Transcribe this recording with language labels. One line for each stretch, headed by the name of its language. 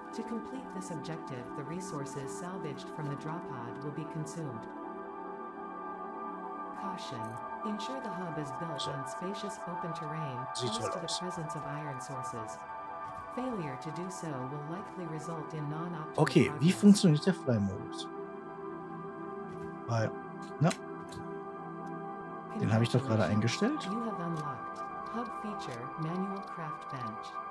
English: To complete this objective, the resources salvaged from the drop pod will be consumed. Caution. Ensure the hub is built on spacious open terrain close to the presence of iron sources. Failure to do so will likely result in non-optimal.
German: Okay, wie funktioniert der Fly-Modus? Weil, na, den habe ich doch gerade eingestellt.
English: You have unlocked hub feature manual craft bench.